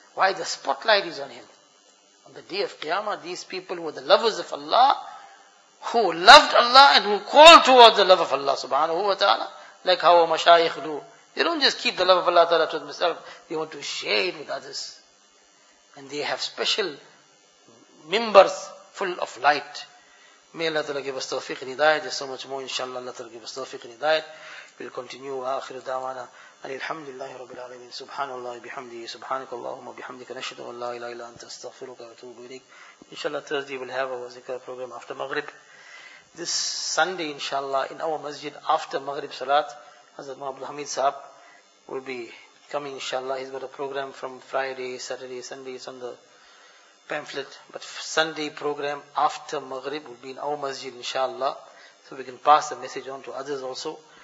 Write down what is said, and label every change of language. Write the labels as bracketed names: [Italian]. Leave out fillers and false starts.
[English] Why the spotlight is on him. On the day of Qiyamah, these people were the lovers of Allah, who loved Allah and who called towards the love of Allah subhanahu wa ta'ala, like how a mashayikh do. They don't just keep the love of Allah ta'ala to themselves, they want to share it with others. And they have special members full of light. May Allah ta'ala give us tawfiq and hidayat. There's so much more, inshallah, Allah ta'ala give us tawfiq and hidayat. We'll continue. [Arabic] وآخر دعوانا أن الحمد لله رب العالمين سبحان الله بحمده سبحانك اللهم وبحمدك نشهد أن لا إله إلا أنت استغفرك وأتوب إليك. [English] Inshallah Thursday we'll have our zikr program after Maghrib. This Sunday inshallah in our masjid after Maghrib Salat, Hazrat Mahabul Hamid Sahab will be coming inshallah. He's got a program from Friday, Saturday, Sunday. It's on the pamphlet. But Sunday program after Maghrib will be in our masjid inshallah, so we can pass the message on to others also.